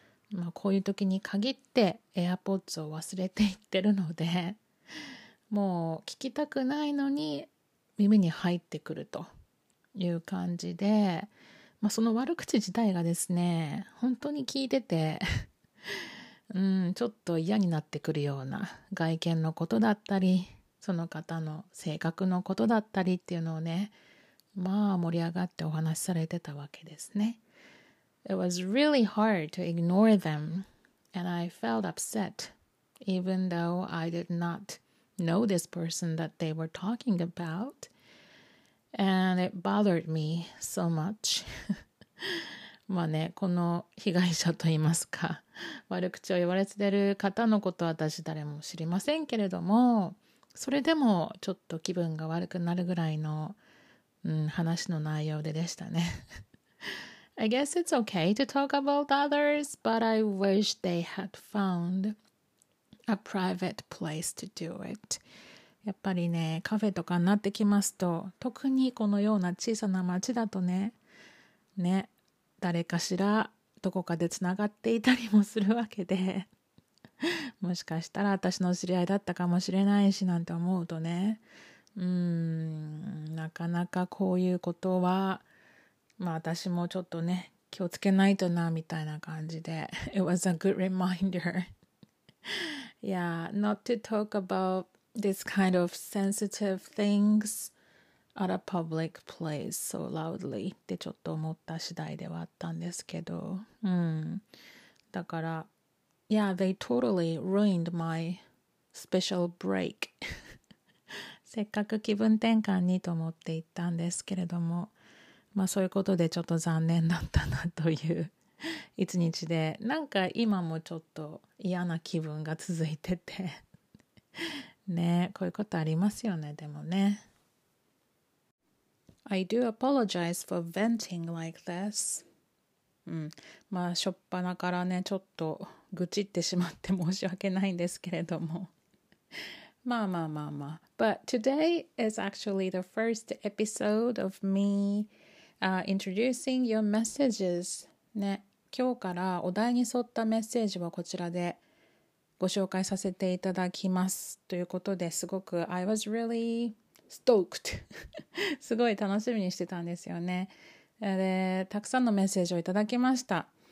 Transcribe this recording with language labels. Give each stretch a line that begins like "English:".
Japanese: まあこういう時に限って AirPods を忘れていってるので、もう聞きたくないのに耳に入ってくるという感じで、まあ、その悪口自体がですね、本当に聞いてて、ちょっと嫌になってくるような外見のことだったり、その方の性格のことだったりっていうのをね、まあ盛り上がってお話しされてたわけですね。
English: It was really hard to ignore them and I felt upset even though I did notknow this person that they were talking about, and it bothered me so much.
Japanese: まあね、この被害者といいますか、悪口を言われてる方のことは私誰も知りませんけれども、それでもちょっと気分が悪くなるぐらいの、話の内容ででしたね。
English: I guess it's okay to talk about others, but I wish they had found. A private place to do it.
Japanese: やっぱりね、カフェとかになってきますと、特にこのような小さな町だとね、ね、誰かしらどこかでつながっていたりもするわけで、もしかしたら私の知り合いだったかもしれないしなんて思うとね、なかなかこういうことは、まあ私もちょっとね、気をつけないとなみたいな感じで、
English: It was a good reminder. Yeah, not to talk about this kind of sensitive things at a public place so loudly
Japanese: ってちょっと思った次第ではあったんですけど、だから
English: Yeah, they totally ruined my special break.
Japanese: せっかく気分転換にと思って行ったんですけれども、まあそういうことでちょっと残念だったなという一日で、なんか今もちょっと嫌な気分が続いててね、こういうことありますよね。でもね、
English: I do apologize for venting like this.
Japanese: まあ初っ端からねちょっと愚痴ってしまって申し訳ないんですけれども。まあまあまあまあ。
English: But today is actually the first episode of me、introducing your messages.
Japanese: ね、今日からお題に沿ったメッセージはこちらでご紹介させていただきますということで、すごく
English: I was really stoked.
Japanese: すごい楽しみにしてたんですよね。で、たくさんのメッセージをいただきました。